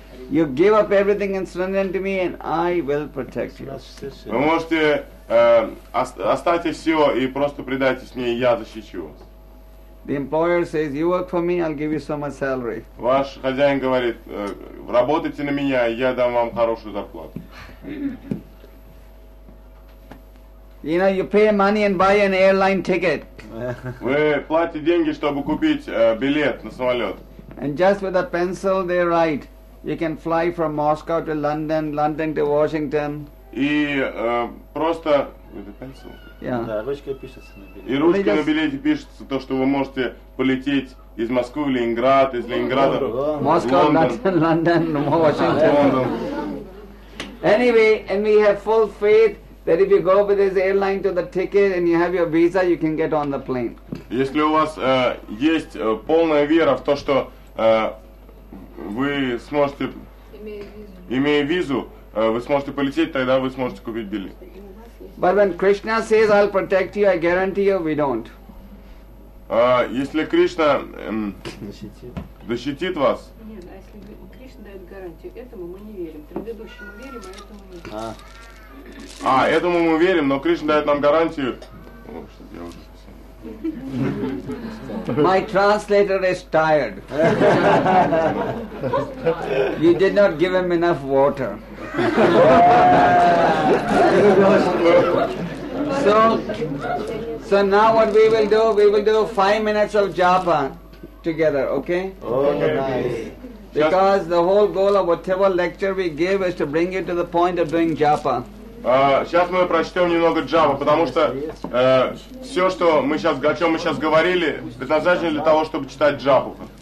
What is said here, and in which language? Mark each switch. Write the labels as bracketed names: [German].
[English] You give up everything and surrender to me, and I will protect you. [Russian] Вы можете оставить все и просто предайтесь мне, и я защищу вас. [English] The employer says, "You work for me, I'll give you so much salary." [Russian] Ваш хозяин говорит, работайте на меня, я дам вам хорошую зарплату. [English] You know, you pay money and buy an airline ticket. [Russian] Вы платите деньги, чтобы купить билет на самолет. [English] And just with a pencil, they write. You can fly from Moscow to London, London to Washington. [Russian] И просто [English] with a pencil. Yeah. [Russian] Ручкой пишется на билете. И ручкой на билете пишется то, что вы можете полететь из Москвы в Ленинград, из Ленинграда в Лондон. [English] Moscow, London, Washington. London. Anyway, and we have full faith that if you go with this airline to the ticket and you have your visa, you can get on the plane. [Russian] Если у вас есть полная вера в то, что вы сможете, имея визу, вы сможете полететь, тогда вы сможете купить билет. [English] But when Krishna says, "I'll protect you," I guarantee you, we don't. [Russian] Если Кришна защитит вас. Нет, а если Кришна дает гарантию, этому мы не верим. Предыдущему верим, а этому нет. А, этому мы верим, но Кришна дает нам гарантию. О, что я уже. [English] My translator is tired. You did not give him enough water. So now what we will do 5 minutes of japa together, okay? Oh, nice. Because the whole goal of whatever lecture we give is to bring you to the point of doing japa. [Russian] Сейчас мы прочтем немного джапа, потому что все, что мы сейчас, о чем мы сейчас говорили, предназначено для того, чтобы читать джапу.